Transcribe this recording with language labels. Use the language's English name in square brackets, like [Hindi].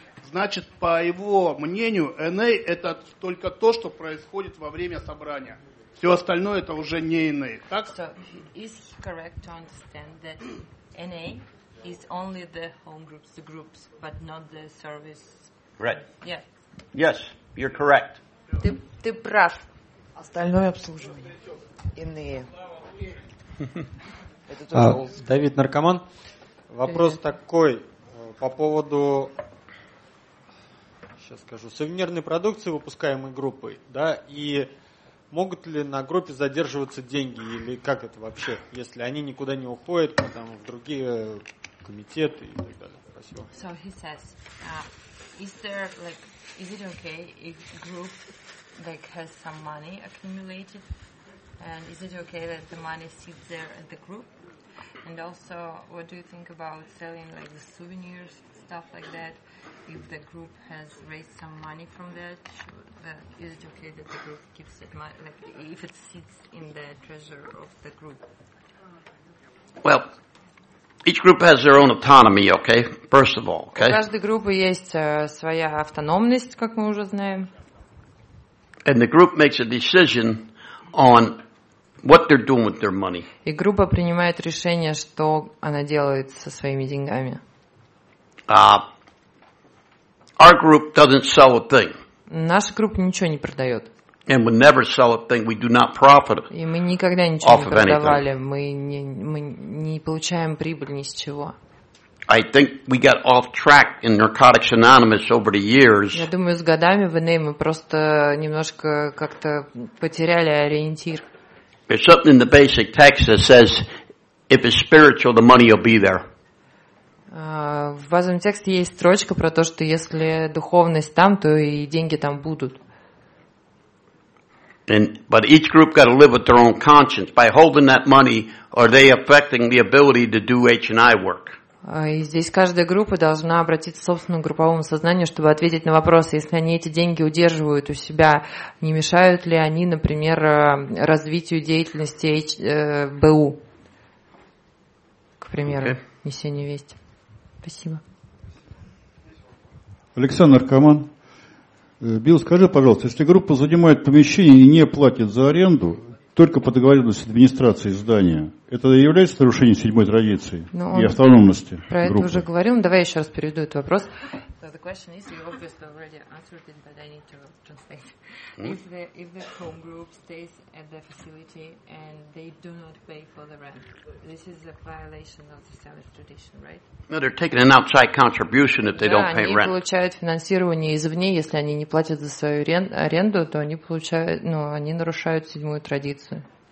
[Russian] Значит, по его мнению, НА это только то, что происходит во время собрания. Все остальное это уже не NA. Так? [English] So, is he correct to understand that NA is only the home groups, the groups, but not the service? Right. Yeah. Yes, you're correct. [Russian] Ты прав. Остальное обслуживание. NA. Это тоже Давид Наркоман. Вопрос такой по поводу... сейчас скажу, сувенирной продукции, выпускаемой группой, да, и могут ли на группе задерживаться деньги, или как это вообще, если они никуда не уходят, потом в другие комитеты и так далее. Спасибо. [English] So he says, is there, like, is it okay if group, like, has some money accumulated, and is it okay that the money sits there at the group? And also, what do you think about selling, like, the souvenirs, stuff like that? If the group has raised some money from that, is it okay that the group keeps it, like, if it sits in the treasure of the group? Well, each group has their own autonomy, okay? First of all, okay? [Russian] У каждой группы есть своя автономность, как мы уже знаем. [English] And the group makes a decision on what they're doing with their money. [Russian] И группа принимает решение, что она делает со своими деньгами. [English] Our group doesn't sell a thing. [Russian] Наша группа ничего не продает. [English] And we never sell a thing. We do not profit. [Russian] И мы никогда ничего не продавали. Мы не получаем прибыль ни с чего. [English] I think we got off track in Narcotics Anonymous over the years. [Russian] Я думаю, с годами в НА мы просто немножко как-то потеряли ориентир. [English] There's something in the basic text that says, if it's spiritual, the money will be there. [Russian] В базовом тексте есть строчка про то, что если духовность там, то и деньги там будут. [English] But each group got to live with their own conscience. By holding that money, are they affecting the ability to do H&I work? [Russian] И здесь каждая группа должна обратиться к собственному групповому сознанию, чтобы ответить на вопрос, если они эти деньги удерживают у себя, не мешают ли они, например, развитию деятельности БУ, к примеру, несению вести. Спасибо. Александр Карман. Билл, скажи, пожалуйста, если группа занимает помещение и не платит за аренду, только по договоренности администрации здания, это является нарушением седьмой традиции и автономности группы? Про это уже говорил. Давай еще раз переведу этот вопрос. [English] So the question is, you obviously already answered it, but I need to translate. If the home group stays at the facility and they do not pay for the rent, this is a violation of the seventh tradition, right? No, they're taking an outside contribution if they don't pay rent. [Russian] Да, они получают финансирование извне, если они не платят за свою аренду, то они получают, ну, они нарушают седьмую традицию.